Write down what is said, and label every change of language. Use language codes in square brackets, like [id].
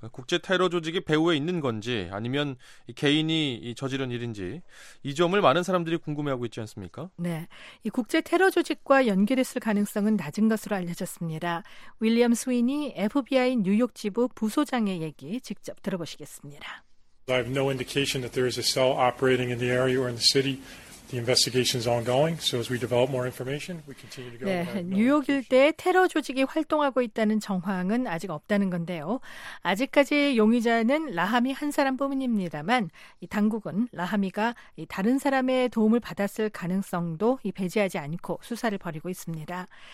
[ko] 국제 테러 조직이 배후에 있는 건지 아니면 이 개인이 이 저지른 일인지 이 점을 많은 사람들이 궁금해하고 있지 않습니까? 네, 이 국제 테러 조직과 연결했을 가능성은 낮은 것으로 알려졌습니다. 윌리엄 스위니 FBI 뉴욕 지부 부소장의 얘기 직접 들어보시겠습니다. [en] I have no indication that there is a cell operating in the area or in the city. The investigation is ongoing, so as we develop more information, we continue to go. [ko] 네, 뉴욕 일대에 테러 조직이 활동하고 있다는 정황은 아직 없다는 건데요. 아직까지 용의자는 라하미 한 사람뿐입니다만, 이 당국은 라하미가 이 다른 사람의 도움을 받았을 가능성도 이 배제하지 않고 수사를 벌이고 있습니다.